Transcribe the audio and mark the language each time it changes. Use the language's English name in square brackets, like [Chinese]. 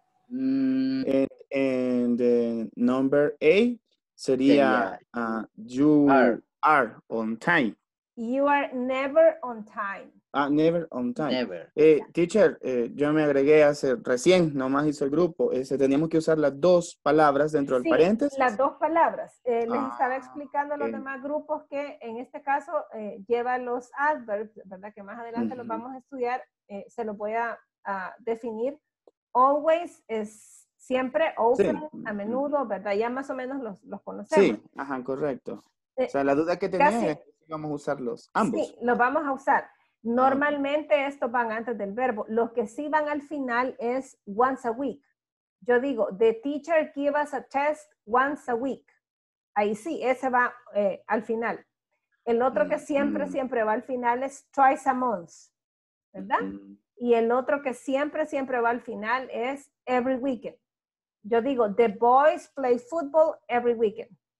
[English] And number eight sería you are on time. You are never on time. Never on time. Never. [Spanish] Teacher, yo me agregué hace recién, nomás hizo el grupo. Teníamos que usar las dos palabras dentro del paréntesis. Las dos palabras. Les estaba explicando a los demás grupos que en este caso lleva los adverbs, ¿verdad? Que más adelante los vamos a estudiar. Se los voy a definir. Always es Siempre, often, sí. A menudo, ¿verdad? Ya más o menos los conocemos. Sí, ajá, correcto. O sea, la duda que tenía casi, es si vamos a usar los ambos. Sí, los vamos a usar. Normalmente estos van antes del verbo. Los que sí van al final es once a week. Yo digo, [English] the teacher give us a test once a week. [Spanish] Ahí sí, ese va al final. El otro que siempre, siempre va al final es twice a month, ¿verdad? Y el otro que siempre, siempre va al final es every weekend. Yo digo, [English] the boys play football every weekend.